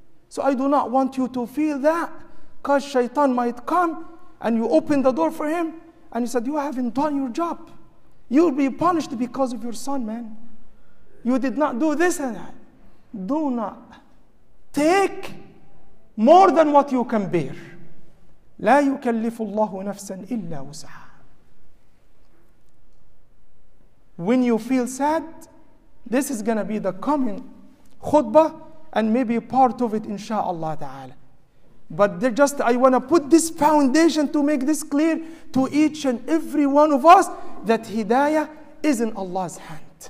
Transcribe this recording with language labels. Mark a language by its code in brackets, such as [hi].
[en] So I do not want you to feel that, because shaitan might come and you open the door for him and he said, you haven't done your job. You'll be punished because of your son, man. You did not do this and that. Do not take more than what you can bear. [ar] لا يكلف الله نفسا إلا وسعها. [en] When you feel sad, this is going to be the coming khutbah and maybe part of it, inshallah ta'ala. But just I want to put this foundation to make this clear to each and every one of us that hidayah is in Allah's hand.